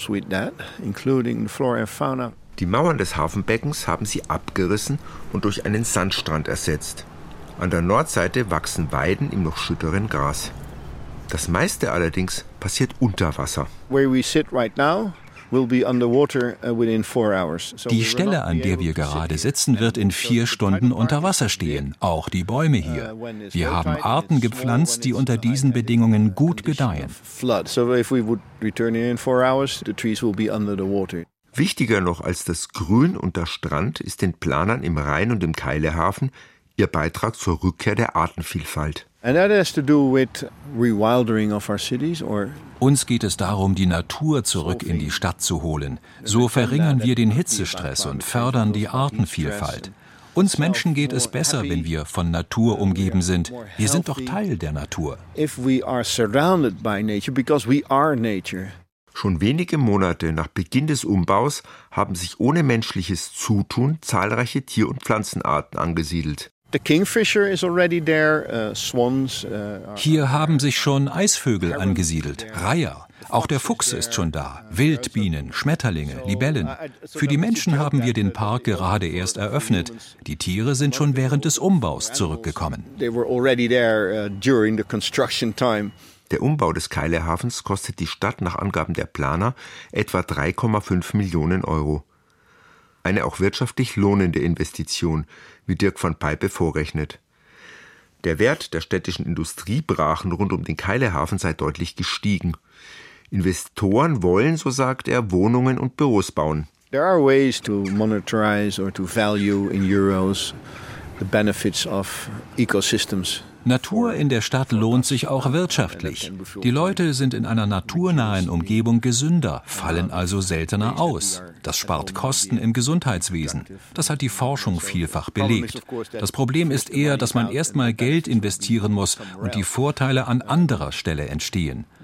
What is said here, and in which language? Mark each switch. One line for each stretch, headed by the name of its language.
German: Die Mauern des Hafenbeckens haben sie abgerissen und durch einen Sandstrand ersetzt. An der Nordseite wachsen Weiden im noch schütteren Gras. Das meiste allerdings passiert unter Wasser.
English: Where we sit right now will be underwater within 4 hours.
German: Die Stelle, an der wir gerade sitzen, wird in 4 Stunden unter Wasser stehen, auch die Bäume hier. Wir haben Arten gepflanzt, die unter diesen Bedingungen gut gedeihen.
English: So if we would return in 4 hours, the trees will be under the water.
German: Wichtiger noch als das Grün und der Strand ist den Planern im Rhein und im Keilehafen ihr Beitrag zur Rückkehr der Artenvielfalt.
English: And that has to do with rewilding of our cities or.
German: Uns geht es darum, die Natur zurück in die Stadt zu holen. So verringern wir den Hitzestress und fördern die Artenvielfalt. Uns Menschen geht es besser, wenn wir von Natur umgeben sind. Wir sind doch Teil der Natur.
English: If we are surrounded by nature, because we are nature.
German: Schon wenige Monate nach Beginn des Umbaus haben sich ohne menschliches Zutun zahlreiche Tier- und Pflanzenarten angesiedelt.
English: The kingfisher is already there, swans.
German: Hier haben sich schon Eisvögel angesiedelt, Reiher. Auch der Fuchs ist schon da, Wildbienen, Schmetterlinge, Libellen. Für die Menschen haben wir den Park gerade erst eröffnet. Die Tiere sind schon während des Umbaus zurückgekommen.
English: They were already there during the construction time.
German: Der Umbau des Keilehafens kostet die Stadt nach Angaben der Planer etwa 3,5 Millionen Euro. Eine auch wirtschaftlich lohnende Investition, wie Dirk van Peipe vorrechnet. Der Wert der städtischen Industriebrachen rund um den Keilehafen sei deutlich gestiegen. Investoren wollen, so sagt er, Wohnungen und Büros bauen.
English: There are ways to monetize or to value in euros the benefits of ecosystems.
German: Natur in der Stadt lohnt sich auch wirtschaftlich. Die Leute sind in einer naturnahen Umgebung gesünder, fallen also seltener aus. Das spart Kosten im Gesundheitswesen. Das hat die Forschung vielfach belegt. Das Problem ist eher, dass man erstmal Geld investieren muss und die Vorteile an anderer Stelle entstehen.